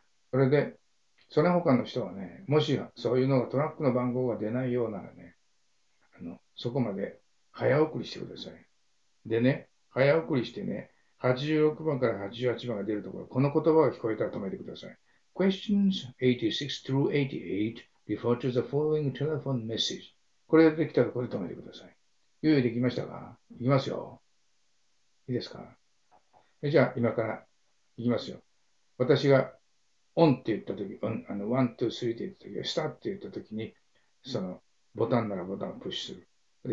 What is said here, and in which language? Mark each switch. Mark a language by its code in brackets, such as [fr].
[ja] それで、それ他の人はね、もしそういうのがトラックの番号が出ないようならね、そこまで早送りしてください。でね、早送りしてね、86番から88番が出るところ、この言葉が聞こえたら止めてください。 [en] Questions 86 through 88 refer to the following telephone message。 [ja] これができたらここで止めてください。用意できましたか？いきますよ。いいですか？じゃあ、今からいきますよ。私がオンって言ったとき、ワン、ツー、スリーって言ったとき、スタって言ったときに、そのボタンならボタンをプッシュする。